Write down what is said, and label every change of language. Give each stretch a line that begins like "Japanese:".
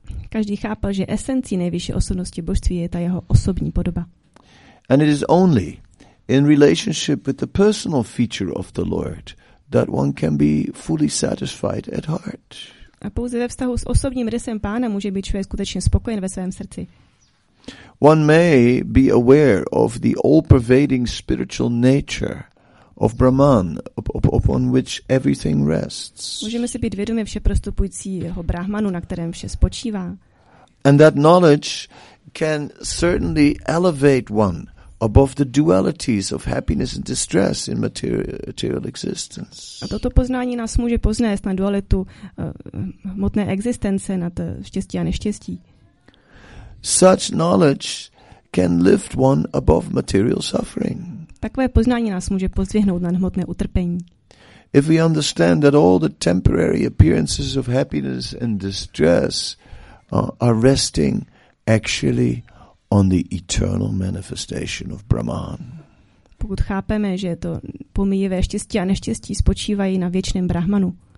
Czech: Každý chápal, že esencí nejvyšší osobnosti božství je ta jeho osobní podoba.
English: And it is only in relationship with the personal feature of the Lord that one can be fully satisfied at heart.
Czech: A pouze ve vztahu s osobním rysem pána může být člověk skutečně spokojen ve svém srdci.
English: One may be aware of the all-pervading spiritual nature of Brahman upon which everything rests.
Czech: Můžeme si být vědomi všeprostupujícího Brahmanu, na kterém vše spočívá.
English: And that knowledge can certainly elevate one above the dualities of happiness and distress in material existence.
Czech: A toto poznání nás může poznést na dualitu hmotné existence, na to štěstí a neštěstí.
English: Such knowledge can lift one above material suffering.
Czech: Takové poznání nás může pozdvihnout na hmotné utrpení.
English: If we understand that all the temporary appearances of happiness and distress are resting actually on the eternal manifestation of Brahman.
Czech: Pokud chápeme, že to pomíjivé štěstí a neštěstí spočívají na věčném Brahmanu.